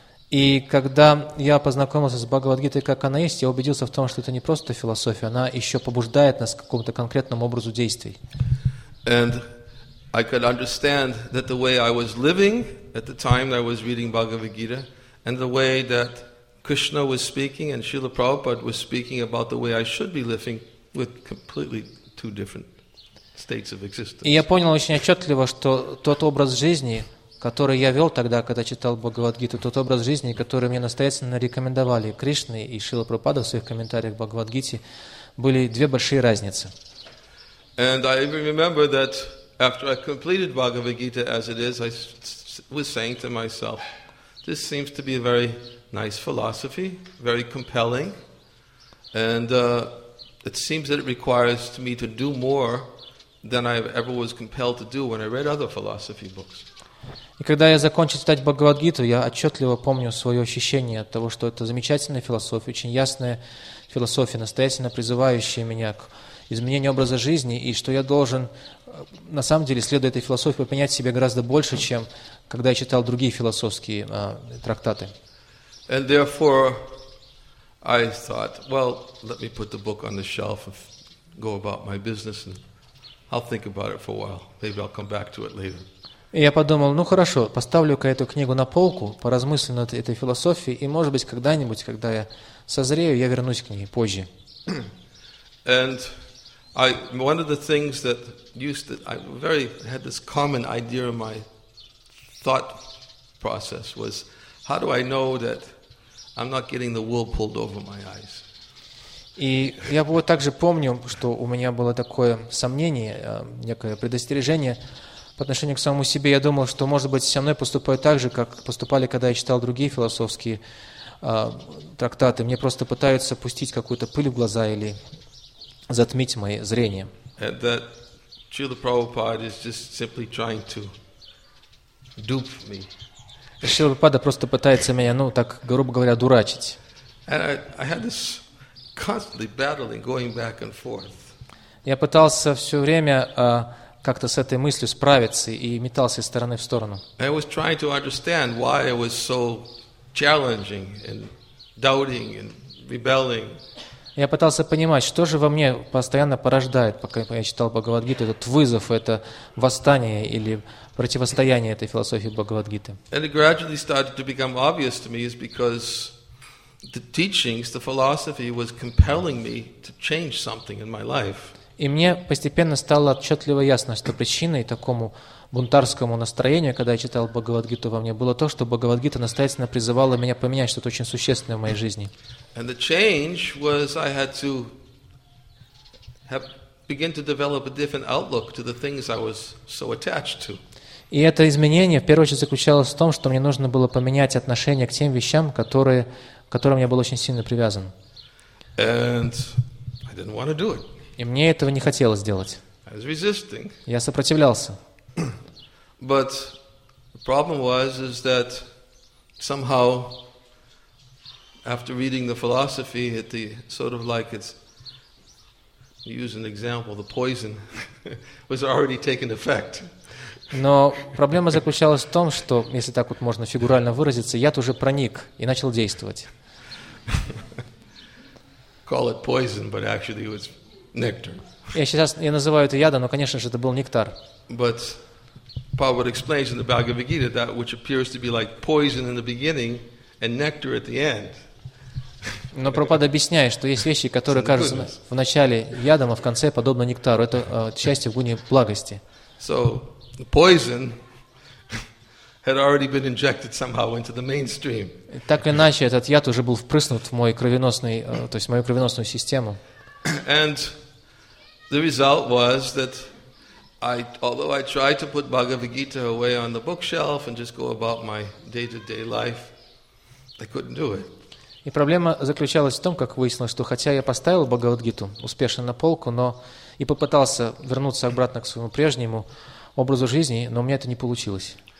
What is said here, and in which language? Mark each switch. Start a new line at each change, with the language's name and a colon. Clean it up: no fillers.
Russian: И когда я познакомился с Бхагавад-гитой, как она есть, я убедился в том, что это не просто философия, она еще побуждает нас к какому-то конкретному образу действий.
English: And I could understand that the way I was living at the time I was reading Bhagavad Gita and the way that Krishna was speaking and Srila Prabhupada was speaking about the way I should be living with completely two different states of existence.
Russian: И я понял очень отчетливо, что тот образ жизни, который я вел тогда, когда читал Бхагавад-гиту, тот образ жизни, который мне настоятельно рекомендовали Кришна и Шрила Прабхупада в своих комментариях к Бхагавад-гите, были две большие разницы.
English: And I even remember that after I completed Bhagavad-gita as it is, I was saying to myself, this seems to be a very nice philosophy, very compelling, and it seems that it requires me to do more than I ever was compelled to do when I read other philosophy books.
Russian: И когда я закончил читать Бхагавад-гиту, я отчетливо помню свое ощущение от того, что это замечательная философия, очень ясная философия, настоятельно призывающая меня к изменению образа жизни, и что я должен, на самом деле, следуя этой философии, поменять себя гораздо больше, чем когда я читал другие философские трактаты.
English: And therefore, I thought, well, let me put the book on the shelf and go about my business, and I'll think about it for a while. Maybe I'll come back to it later.
Russian: И я подумал, ну хорошо, поставлю-ка эту книгу на полку, поразмыслю над этой философией, и может быть когда-нибудь, когда я созрею, я вернусь к ней позже.
English: And I, one of the things that used to, I very had this common idea in my thought process was, how do I know that I'm not getting the wool pulled over my eyes?
Russian: И я вот также помню, что у меня было такое сомнение, некое предостережение по отношению к самому себе. Я думал, что, может быть, со мной поступают так же, как поступали, когда я читал другие философские трактаты. Мне просто пытаются пустить какую-то пыль в глаза или затмить мое зрение.
English: And that Srila Prabhupada is just simply trying to dupe me.
Russian: Srila Prabhupada просто пытается меня, ну, так, грубо говоря, дурачить.
English: And I had this constantly battling, going back and forth.
Russian: Я пытался все время как-то с этой мыслью справиться и метался из стороны в сторону.
English: I was trying to understand why I was so challenging and doubting and rebelling.
Russian: Я пытался понимать, что же во мне постоянно порождает, пока я читал Бхагавад-гиту, этот вызов, это восстание или противостояние этой философии Бхагавад-гиты.
English: And it gradually started to become obvious to me is because the teachings, the philosophy was compelling me to change something in my life.
Russian: И мне постепенно стало отчетливо ясно, что причиной такому бунтарскому настроению, когда я читал Бхагавад-гиту во мне, было то, что Бхагавад-гита настоятельно призывала меня поменять что-то очень существенное в моей жизни.
English: And the change was I had to begin to develop a different outlook to the things I was so attached to.
Russian: И это изменение, в первую очередь, заключалось в том, что мне нужно было поменять отношение к тем вещам, которые, к которым я был очень сильно привязан.
English: And I didn't want to do it.
Russian: И мне этого не хотелось сделать.
English: I was resisting.
Russian: Я сопротивлялся.
English: But the problem was is that somehow after reading the philosophy, it the sort of like it's use an example, the poison was already taken effect.
Russian: Но проблема заключалась в том, что, если так вот можно фигурально выразиться, яд уже проник и начал действовать.
English: Call it poison, but actually it was nectar.
Russian: Я называю это ядом, но, конечно же, это был нектар.
English: But Prabhupada explains in the Bhagavad Gita that which appears to be like poison in the beginning and nectar at the end.
Russian: Но Прабхупада объясняет, что есть вещи, которые кажутся в начале ядом, а в конце подобно нектару. Это счастье в гуне благости.
English: So the poison had already been injected somehow into the mainstream.
Russian: Так или иначе, этот яд уже был впрыснут в мой кровеносный, то есть в мою кровеносную систему.
English: And the result was that I, although I tried to put Bhagavad Gita away on the bookshelf and just go about my day-to-day life, I couldn't do it.
Russian: И проблема заключалась в том, как выяснилось, что хотя я поставил Бхагавад-гиту успешно на полку, но и попытался вернуться обратно к своему прежнему образу жизни, но у меня это не получилось.